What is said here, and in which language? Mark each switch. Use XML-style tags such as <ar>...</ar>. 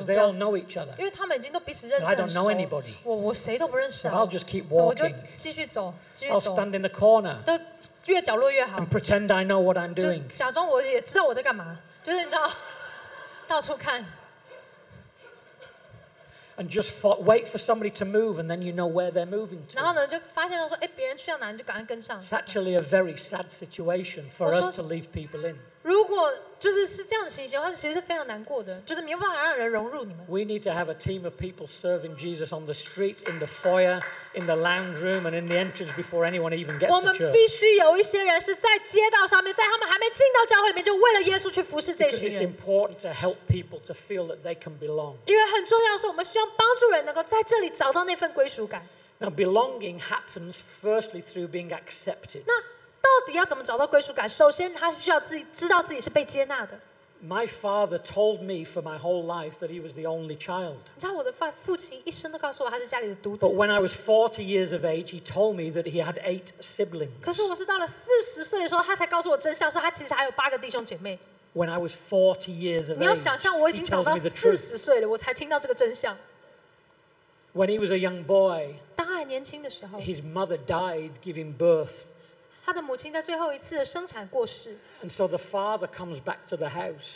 <en>Because they all know each other.</en> <zh>因为他们已经都彼此认识。</zh> <en>I don't know anybody.</en> <zh>我谁都不认识。</zh> <en>So I'll just keep walking.</en> <zh>我就继续走，继续走。</zh> <en>I'll stand in the corner.</en> <zh>都越角落越好。</zh> <en>And pretend I know what I'm doing.</en> <zh>假装我也知道我在干嘛，就是你知道，到处看。</zh> <en>And just wait for somebody to move, and then you know where they're moving to.</en> <zh>然后呢，就发现到说，哎，别人去到哪，你就赶快跟上。</zh> <en>It's actually a very sad situation for us to leave people in.</en> <zh>如果就是是这样的情形的话，其实是非常难过的，就是没有办法让人融入你们。</zh> <en>We need to have a team of people serving Jesus on the street, in the foyer, in the lounge room, and in the entrance before anyone even gets to church.</en> <zh>我们必须有一些人是在街道上面，在他们还没进到教会里面，就为了耶稣去服侍这群人。</zh> <en>Because it's important to help people to feel that they can belong.</en> <zh>因为很重要的是，我们希望帮助人能够在这里找到那份归属感。</zh> <en>Now belonging happens firstly through being accepted.</en> <zh>到底要怎么找到归属感？首先，他需要自己知道自己是被接纳的。</zh> <en>My father told me for my whole life that he was the only child.</en> <zh>你知道我的父亲一生都告诉我他是家里的独子。</zh> <en>But when I was 40 years of age, he told me that he had 8 siblings.</en> <zh>可是我是到了40岁的时候，他才告诉我真相，说他其实还有8个弟兄姐妹。</zh> <en>When I was 40 years of age,</en> <zh>你要想象我已经长到40岁了，我才听到这个真相。</zh> <en>When he was a young boy,</en> <zh>当他还年轻的时候</zh> <en>，his mother died giving birth.</en> <zh>他的母亲在最后一次的生产过世。</zh> <en>And so the father comes back to the house.</en>